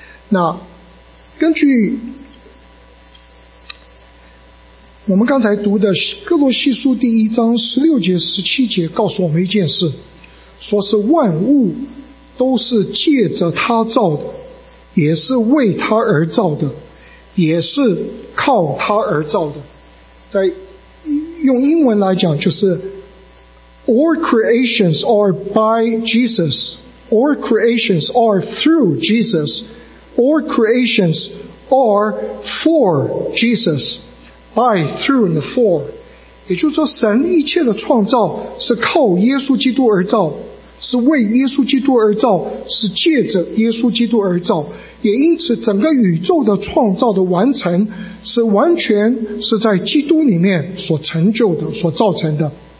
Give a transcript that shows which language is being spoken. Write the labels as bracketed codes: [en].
[zh] 那根据我们刚才读的哥罗西书第一章十六节十七节告诉我们一件事，说是万物都是借着他造的，也是为他而造的，也是靠他而造的。在用英文来讲，就是 [en] All creations are by Jesus, All creations are through Jesus, All creations are for Jesus, By, through and for。 [zh] 也就是说，神一切的创造是靠耶稣基督而造，是为耶稣基督而造，是借着耶稣基督而造。也因此整个宇宙的创造的完成是完全是在基督里面所成就的，所造成的。